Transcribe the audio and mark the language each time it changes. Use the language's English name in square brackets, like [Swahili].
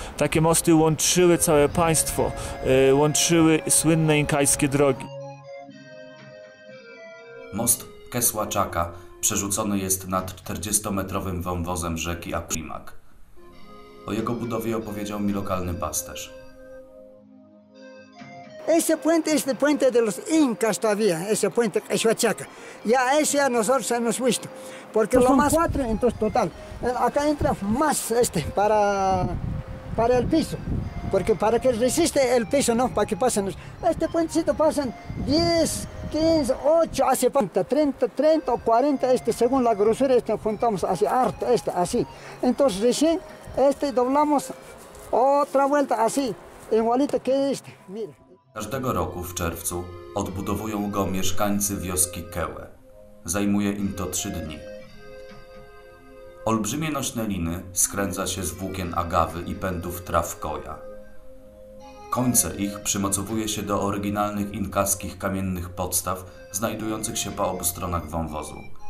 [Polish] Takie mosty łączyły całe państwo, łączyły słynne inkańskie drogi. Most Quesuachaca przerzucony jest nad 40-metrowym wąwozem rzeki Apurimac. O jego budowie opowiedział mi lokalny pasterz. [Spanish] Ese puente es el puente de los Incas todavía, ese puente Quesuachaca. Ya ese a nosotros hemos visto, porque lo más cuatro entonces total. Acá entra más este para el piso, porque para que resiste el piso, ¿no? Para que pasen este puentecito pasan 10, 15, 8 hace falta 30 o 40 este según la grosura este juntamos así harto este así. Entonces recién este doblamos otra vuelta así, igualito que este. Mira. [Polish] Każdego roku w czerwcu odbudowują go mieszkańcy wioski Kełe. Zajmuje im to 3 dni. Olbrzymie nośne liny skręca się z włókien agawy i pędów traw koja. Końce ich przymocowuje się do oryginalnych inkaskich kamiennych podstaw znajdujących się po obu stronach wąwozu.